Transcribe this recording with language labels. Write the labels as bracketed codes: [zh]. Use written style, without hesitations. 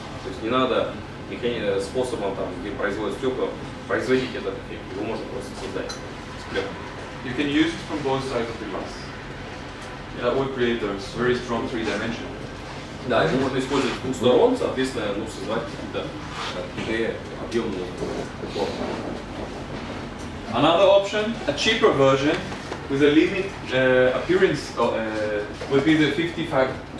[ru] То есть не надо способом, там, где производят стекла, производить этот эффект. Его можно просто создать с пленкой. [en] You can use it from both sides of the glass. Yeah. That would create a very strong three dimension. [ru] Да, его можно использовать с двух сторон, соответственно, ну, создавать какие-то объемные формы. [en] Another option, a cheaper version with a limit appearance would be the 55-25.